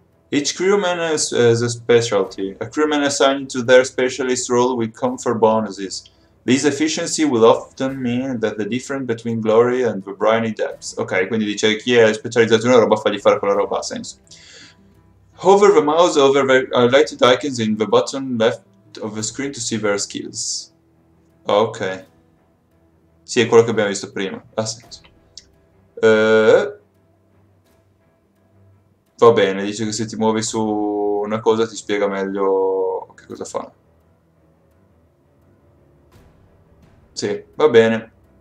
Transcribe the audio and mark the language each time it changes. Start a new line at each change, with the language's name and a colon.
English: Each crewman has a specialty. A crewman assigned to their specialist role will confer bonuses. This efficiency will often mean that the difference between glory and the briny depths.
Italian: Ok, quindi dice chi è specializzato in una roba fagli fare quella roba, ha senso.
English: Hover the mouse over the highlighted icons in the bottom left of the screen to see their skills. Ok.
Italian: Sì, è quello che abbiamo visto prima. Ha senso. Va bene, dice che se ti muovi su una cosa ti spiega meglio che cosa fa. Sì, va bene.